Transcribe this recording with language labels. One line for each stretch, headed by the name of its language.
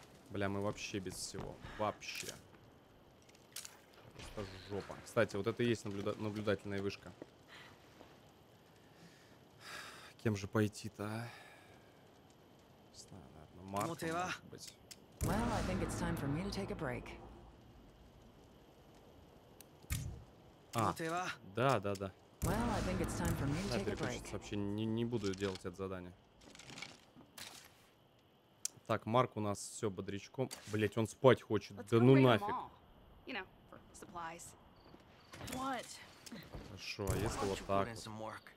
Russian: Бля, мы вообще без всего. Вообще. Просто жопа. Кстати, вот это и есть наблюдательная вышка. Кем же пойти-то, а? Не знаю, наверное, Марк, может быть.
English: Well, I think it's time for me to take a break.
Russian: А, да.
English: Well, I think it's time for me to take a break.
Russian: Не буду делать это задание. Так, Марк у нас все бодрячком. Блять, он спать хочет. Let's да ну нафиг.
English: You know,
Russian: хорошо, а если вот так вот?